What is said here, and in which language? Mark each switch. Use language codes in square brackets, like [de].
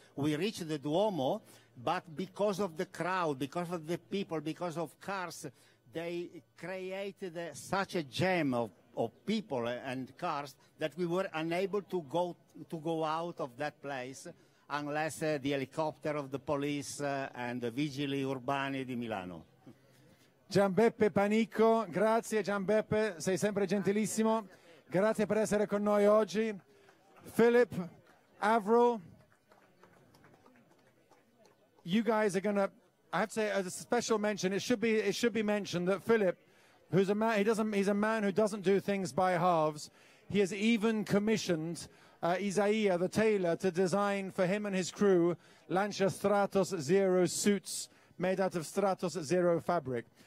[en] We reached the Duomo, but because of the crowd, because of the people, because of cars, they created such a jam of people and cars that we were unable to go out of that place unless the helicopter of the police and the Vigili Urbani di Milano. [it] Gianbeppe Panico, grazie Gianbeppe, sei sempre gentilissimo. Grazie per essere con noi oggi. [en] Philip, Avril, you guys are going to, I have to say, as a special mention, it should be mentioned that Philip, who's a man, he's a man who doesn't do things by halves. He has even commissioned Isaia, the tailor, to design for him and his crew Lancia Stratos Zero suits made out of Stratos Zero fabric.